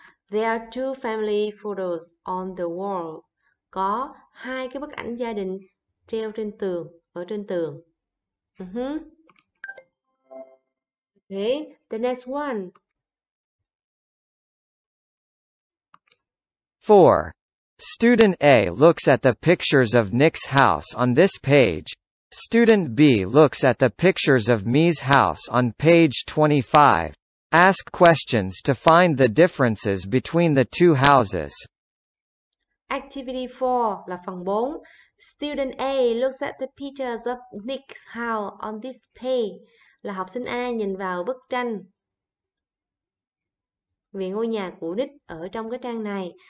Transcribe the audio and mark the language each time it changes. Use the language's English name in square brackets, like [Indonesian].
[English] There are two family photos on the wall. [Vietnamese] Có hai cái bức ảnh gia đình treo trên tường, ở trên tường. [English] Okay, the next one. 4. Student A looks at the pictures of Nick's house on this page. Student B looks at the pictures of Mi's house on page 25. Ask questions to find the differences between the two houses. [Vietnamese] Activity 4 là phần 4. [English] Student A looks at the pictures of Nick's house on this page. [Vietnamese] Là học sinh A nhìn vào bức tranh về ngôi nhà của Nick ở trong cái trang này.